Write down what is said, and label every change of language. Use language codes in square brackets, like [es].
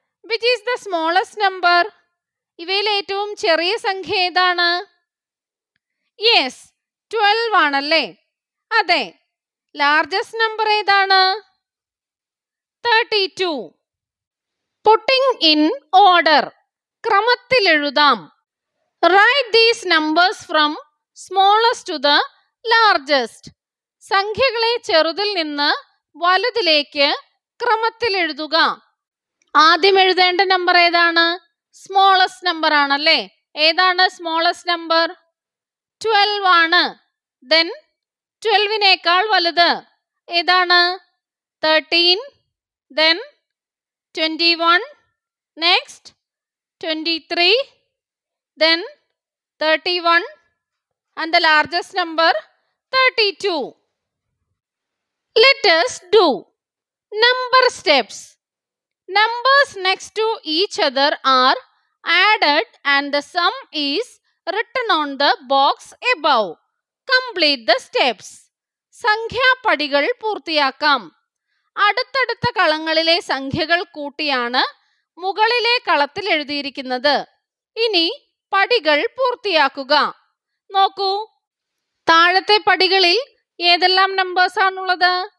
[en] Which is the smallest number? [ml] ഇവയിൽ ഏറ്റവും ചെറിയ സംഖ്യ ഏതാണ്? യെസ്, 12 ആണല്ലേ. അതെ, ലാർജസ്റ്റ് നമ്പർ ഏതാണ്? 32. [en] Putting in order, [ml] ക്രമത്തിൽ എഴുതാം. [en] Write these numbers from smallest to the largest. [ml] സംഖ്യകളെ ചെറുതിൽ നിന്ന് വലുതിലേക്ക് ക്രമത്തിൽ എഴുതുക. ആദ്യം എഴുതേണ്ട നമ്പർ ഏതാണ്? സ്മോളസ്റ്റ് നമ്പർ ആണല്ലേ. ഏതാണ് സ്മോളസ്റ്റ് നമ്പർ? 12 ആണ്. ദെൻ 12നേക്കാൾ വലുത് ഏതാണ്? 13. [en] Then 21. Next 23. Then 31. And the largest number 32. Let us do number steps. Numbers next to each other are added and the sum is written on the box above. Complete the steps. [ml] സംഖ്യാപടികൾ പൂർത്തിയാക്കാം. അടുത്തടുത്ത കളങ്ങളിലെ സംഖ്യകൾ കൂട്ടിയാണ് മുകളിലെ കളത്തിൽ എഴുതിയിരിക്കുന്നത്. ഇനി പടികൾ പൂർത്തിയാക്കുക. നോക്കൂ, താഴത്തെ പടികളിൽ ഏതെല്ലാം നമ്പേഴ്സ് ആണുള്ളത്?